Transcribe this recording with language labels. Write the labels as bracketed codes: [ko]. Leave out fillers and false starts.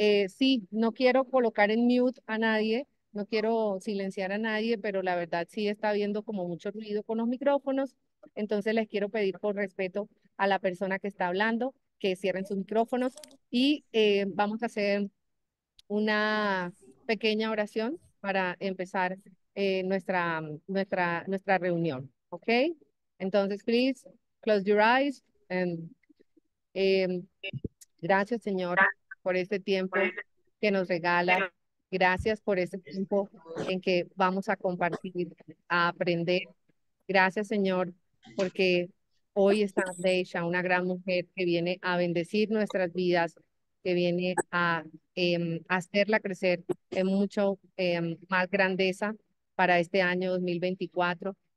[es] Sí, no quiero colocar en mute a nadie. No quiero silenciar a nadie, pero la verdad sí está habiendo como mucho ruido con los micrófonos. Entonces les quiero pedir por respeto a la persona que está hablando que cierren sus micrófonos y vamos a hacer una pequeña oración para empezar nuestra reunión. ¿Ok? [en] Entonces, please, close your eyes. And, [es] gracias, Señor, por este tiempo que nos regala. Gracias por este tiempo en que vamos a compartir, a aprender. Gracias, Señor, porque hoy está Deisha, una gran mujer que viene a bendecir nuestras vidas, que viene a hacerla crecer en mucho más grandeza para este año 2024.